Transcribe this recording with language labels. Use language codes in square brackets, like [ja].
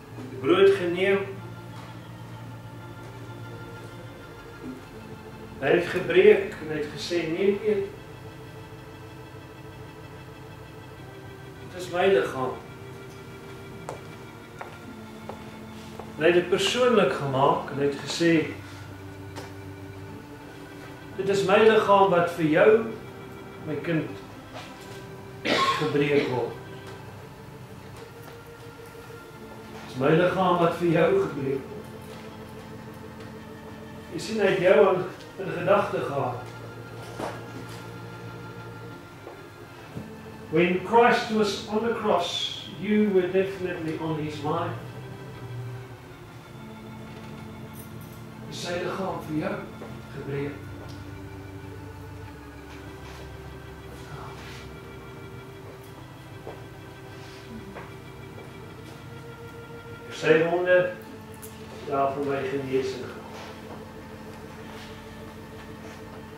[af] die brood geneem, hy het gebreek en hy het gesê neem eet, my lichaam. Hy het dit persoonlik gemaak en hy het gesê, dit is my lichaam wat vir jou, my kind, gebreek word. Dit is my lichaam wat vir jou gebreek word. Jy sien, hy het jou in gedagte gehad. [en] When Christ was on the cross, you were definitely on his mind. [af] Hy sê die lichaam vir jou gebreek. sy wonde daar vir my genees en gehaal.